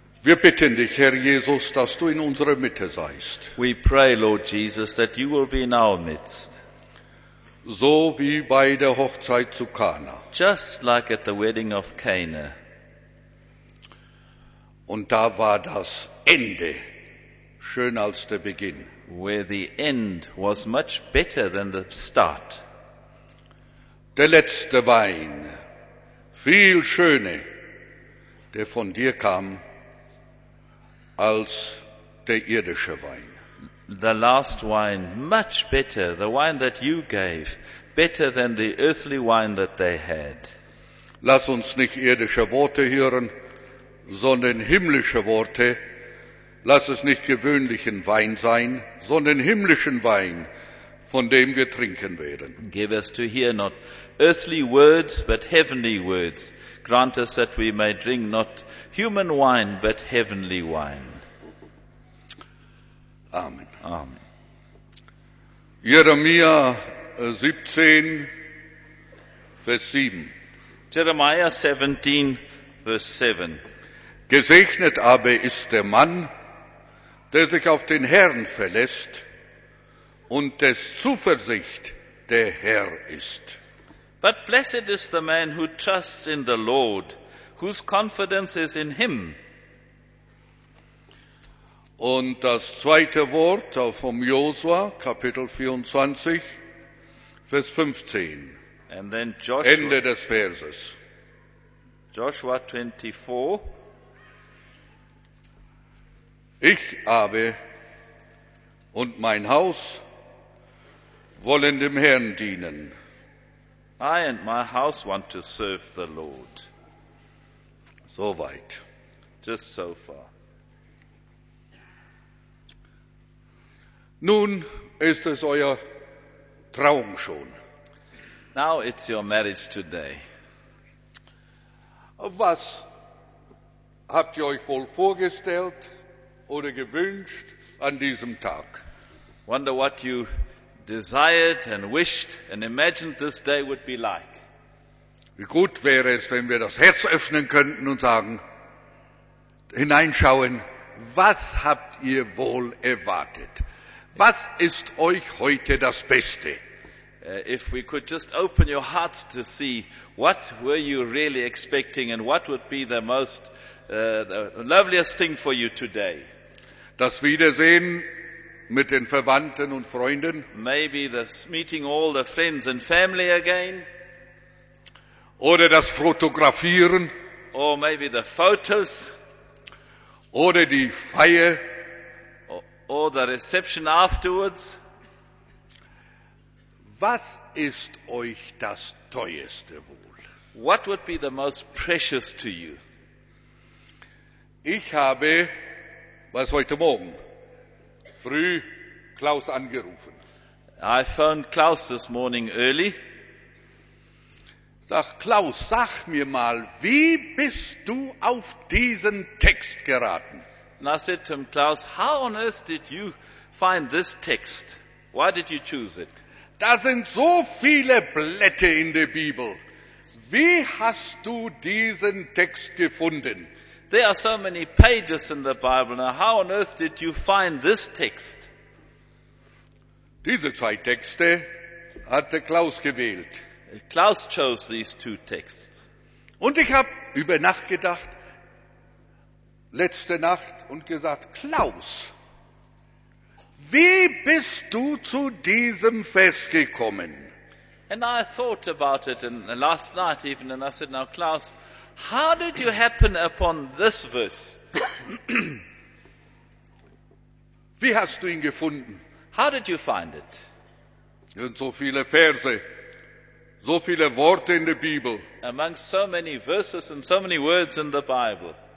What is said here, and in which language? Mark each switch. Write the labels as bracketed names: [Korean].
[German] Wir bitten dich, Herr Jesus, dass du in unserer Mitte seist. [English] We pray, Lord Jesus, that you will be in our midst. [German] So wie bei der Hochzeit zu Kana. [English] Just like at the wedding of Cana. [German] Und da war das Ende schöner als der Beginn. [English] Where the end was much better than the start. [German] Der letzte Wein, viel schöner, der von dir kam, als der irdische Wein. [English] The last wine, much better, the wine that you gave, better than the earthly wine that they had. [German] Lass uns nicht irdische Worte hören, sondern himmlische Worte. Lass es nicht gewöhnlichen Wein sein, sondern himmlischen Wein, von dem wir trinken werden. [English] Give us to hear not earthly words, but heavenly words. Grant us that we may drink not human wine, but heavenly wine. [German] Amen. [English] Amen. [German] Jeremia 17, Vers 7. [English] Jeremiah 17, Vers 7. [German] Gesegnet aber ist der Mann, der sich auf den Herrn verlässt und des Zuversicht der Herr ist. [English] But blessed is the man who trusts in the Lord, whose confidence is in him. [German] Und das zweite Wort vom Josua, Kapitel 24, Vers 15. [English] And then Joshua, [German] Ende des Verses. [English] Joshua 24. [German] Ich aber und mein Haus wollen dem Herrn dienen. [English] I and my house want to serve the Lord. [German] So weit. [English] Just so far. [German] Nun ist es euer Traum schon. [English] Now it's your marriage today. [German] Was habt ihr euch wohl vorgestellt? Oder gewünscht an diesem Tag. [English] Wonder what you desired and wished and imagined this day would be like. [German] Wie gut wäre es, wenn wir das Herz öffnen könnten und sagen, hineinschauen, was habt ihr wohl erwartet? Was ist euch heute das Beste? [English] If we could just open your hearts to see, what were you really expecting and what would be the most, the loveliest thing for you today? [German] Das Wiedersehen mit den Verwandten und Freunden. [English] Maybe this meeting all the friends and family again. [German] Oder das Fotografieren. [English] Or maybe the photos. [German] Oder die Feier. [English] Or the reception afterwards. [German] Was ist euch das teuerste wohl? [English] What would be the most precious to you? [German] Ich habe was heute Morgen früh Klaus angerufen. [English] I phoned Klaus this morning early. [German] Sag, Klaus, sag mir mal, wie bist du auf diesen Text geraten? [English] And I said to him, Klaus, how on earth did you find this text? Why did you choose it? [German] Da sind so viele Blätter in der Bibel. Wie hast du diesen Text gefunden? [English] There are so many pages in the Bible. Now, how on earth did you find this text? [German] Diese zwei Texte hatte Klaus gewählt. [English] Klaus chose these two texts. [German] Und ich habe über Nacht gedacht, letzte Nacht, und gesagt, Klaus, wie bist du zu diesem Vers gekommen? [English] And I thought about it and last night even, and I said, now, Klaus, how did you happen upon this verse? [German] Wie hast du ihn gefunden? [English] How did you find it? [German] Und so viele Verse, so viele Worte in der Bibel. [English] Among so many verses and so many words in the Bible.